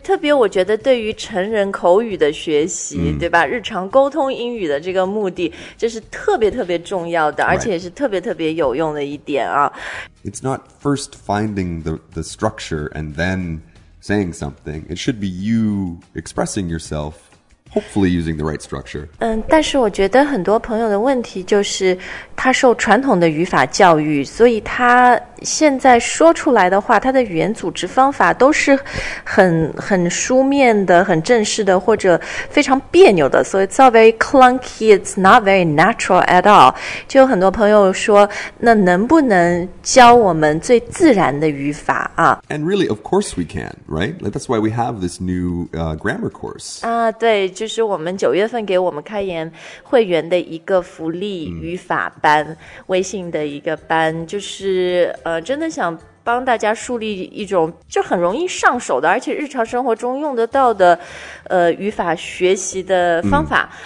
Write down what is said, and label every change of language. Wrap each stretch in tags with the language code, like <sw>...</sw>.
<zh>特别我觉得对于成人口语的学习、 mm. 对吧日常沟通英语的这个目的这是特别特别重要的、</zh> <en>right.</en> <zh>而且是特别特别有用的一点啊。</zh> <en>It's not first finding the structure and then...saying something, it should be you expressing yourself hopefully using the right structure.</en> <zh>但是我觉得很多朋友的问题就是他受传统的语法教育，所以他现在说出来的话，他的语言组织方法都是很书面的，很正式的，或者非常别扭的。</zh> <en>So it's all very clunky, it's not very natural at all.</en> <zh>就很多朋友说，那能不能教我们最自然的语法啊？</zh> <en>And really, of course we can, right? Like, that's why we have this new grammar course.</en> <zh>对，就是我们九月份给我们开言会员的一个福利语法班，微信的一个班，就是真的想帮大家树立一种就很容易上手的而且日常生活中用得到的语法学习的方法。</zh>